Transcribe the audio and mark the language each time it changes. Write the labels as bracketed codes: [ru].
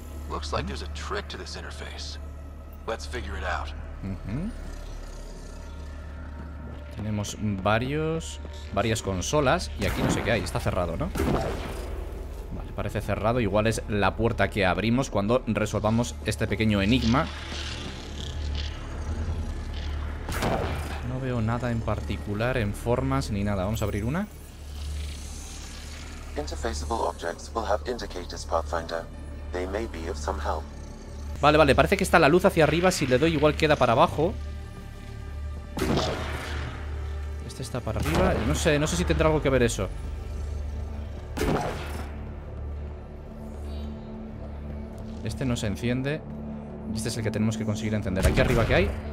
[en] Looks like there's a trick to this interface. Let's figure it out. [es] Tenemos varias consolas y aquí no sé qué hay, está cerrado, ¿no? parece cerrado. Igual es la puerta que abrimos cuando resolvamos este pequeño enigma. No veo nada en particular, en formas ni nada. Vamos a abrir una. [en] Interfaceable objects will have indicators, Pathfinder. They may be of some help. [es] Vale, vale, parece que está la luz hacia arriba. Si le doy igual queda para abajo. Este está para arriba. No sé, no sé si tendrá algo que ver eso. Este no se enciende. Este es el que tenemos que conseguir encender. Aquí arriba, ¿qué hay?